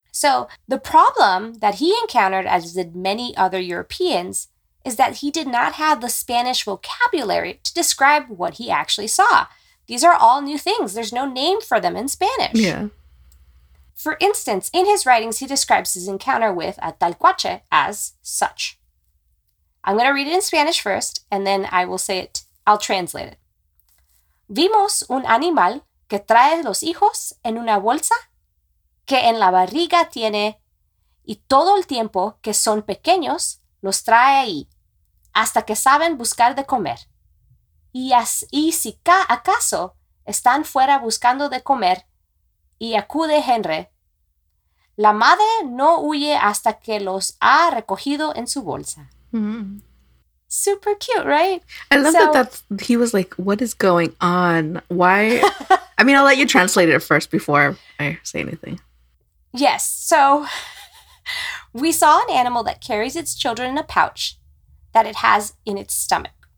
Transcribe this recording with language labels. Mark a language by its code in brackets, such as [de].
[en] So the problem that he encountered, as did many other Europeans, is that he did not have the Spanish vocabulary to describe what he actually saw. These are all new things. There's no name for them in Spanish. Yeah. For instance, in his writings, he describes his encounter with a talcuache as such. I'm going to read it in Spanish first, and then I will say it. I'll translate it. [es] Vimos un animal que trae los hijos en una bolsa que en la barriga tiene, y todo el tiempo que son pequeños los trae ahí, hasta que saben buscar de comer. Y si acaso están fuera buscando de comer, y acude Henry, la madre no huye hasta que los ha recogido en su bolsa. [en] Mm-hmm. Super cute, right? I love he was like, what is going on? Why? I mean, I'll let you translate it first before I say anything. Yes. So we saw an animal that carries its children in a pouch that it has in its stomach.